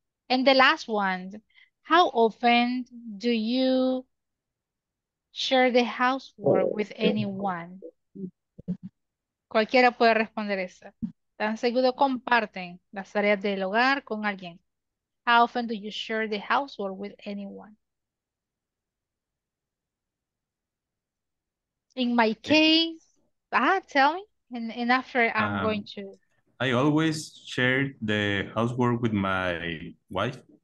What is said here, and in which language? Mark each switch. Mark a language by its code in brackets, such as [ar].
[en] And the last one, how often do you share the housework with anyone? [es] Cualquiera puede responder esa. Tan seguido comparten las tareas del hogar con alguien. [en] How often do you share the household with anyone? In my case, tell me, and after I'm going to. I always share the housework with my wife.